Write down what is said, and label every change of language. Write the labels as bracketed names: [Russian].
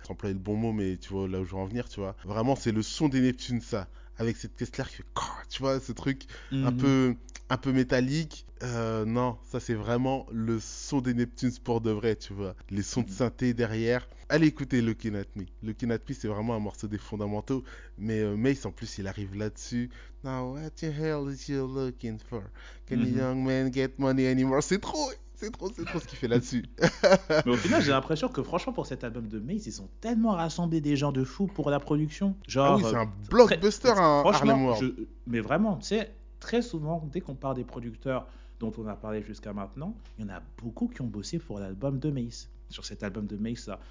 [French] Sans employer le bon mot, mais tu vois là où je veux en venir, tu vois. Vraiment, c'est le son des Neptunes ça, avec cette caisse claire qui fait, tu vois, ce truc un peu métallique. Non, ça c'est vraiment le son des Neptunes pour de vrai, tu vois. Les sons de synthé derrière. Allez écouter Looking At Me. Looking At Me, c'est vraiment un morceau des fondamentaux. Mais Mace, en plus, il arrive là-dessus. [English] Now what the hell is you looking for? Can a young man get money anymore? [French] C'est trop ce qu'il fait là-dessus. Mais au final, j'ai l'impression que franchement, pour cet album de Mace, ils ont tellement rassemblé des gens de fou pour la production. Genre, ah oui, c'est un blockbuster, Harlem World. Mais vraiment, tu sais, très souvent, dès qu'on parle des producteurs dont on a parlé jusqu'à maintenant, il y en a beaucoup qui ont bossé pour l'album de Mace, sur cet album de Mace là.